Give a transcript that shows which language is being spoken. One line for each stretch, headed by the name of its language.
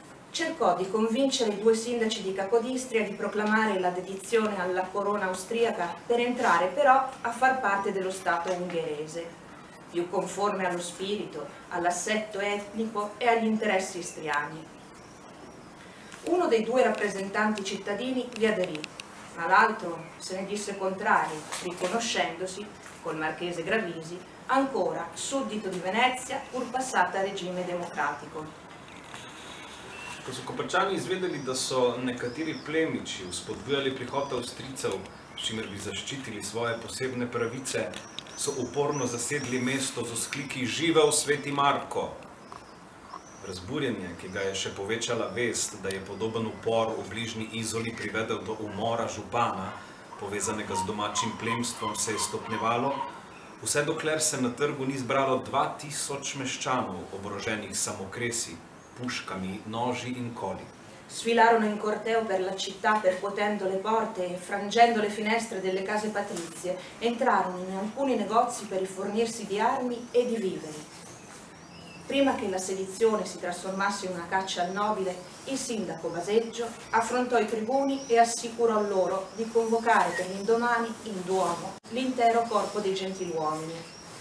Italian: Cercò di convincere i due sindaci di Capodistria di proclamare la dedizione alla corona austriaca per entrare però a far parte dello Stato ungherese, più conforme allo spirito, all'assetto etnico e agli interessi istriani. Uno dei due rappresentanti cittadini gli aderì, ma l'altro se ne disse contrario, riconoscendosi, col marchese Gravisi, ancora suddito di Venezia, pur passata a regime democratico.
Slovenian: Ko so Koprčani izvedeli, da so nekateri plemiči vzpodbujali prihod Avstrijcev, s čimer bi zaščitili svoje posebne pravice, so uporno zasedli mesto z vzkliki Živel sveti Marko! Razburjenje, ki ga je še povečala vest, da je podoben upor v bližnji Izoli privedel do umora župana, povezanega z domačim plemstvom, se je stopnjevalo, vse dokler se na trgu ni zbralo 2000 meščanov, oboroženih samokresi, puškami, noži in koli.
Italian: Sfilarono in corteo per la città percuotendo le porte e frangendo le finestre delle case patrizie, entrarono in alcuni negozi per rifornirsi di armi e di viveri. Prima che la sedizione si trasformasse in una caccia al nobile, il sindaco Baseggio affrontò i tribuni e assicurò loro di convocare per l'indomani in Duomo l'intero corpo dei gentiluomini.